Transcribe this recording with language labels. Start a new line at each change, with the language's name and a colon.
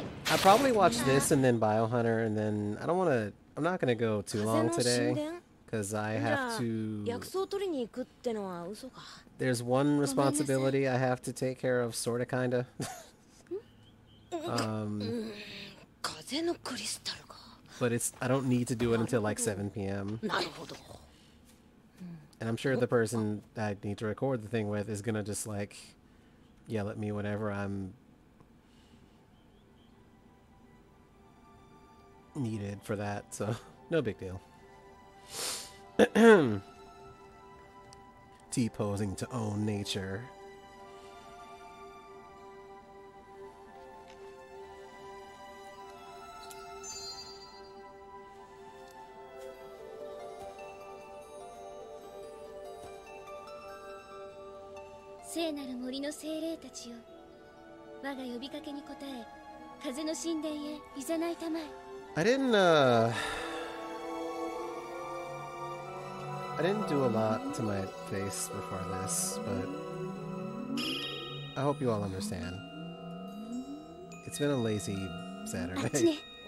English: I'll probably watch this and then Biohunter, and then I don't wanna. I'm not gonna go too long today, because I have to.
Japanese: 薬草取りに行くってのは嘘か?
English: There's one responsibility I have to take care of, sorta, kinda.
Japanese: 風のクリスタルか?
English: But it's, I don't need to do it until like 7 p.m.
Japanese: なるほど。
English: And I'm sure the person I need to record the thing with is gonna just like yell at me whenever I'm needed for that, so no big deal. T-posing to own nature.
Japanese: 聖なる森の精霊たちよ、我が呼びかけに応え、風の神殿へ誘いたまえ。
English: I didn't do a lot to my face before this, but I hope you all understand. It's been a lazy Saturday.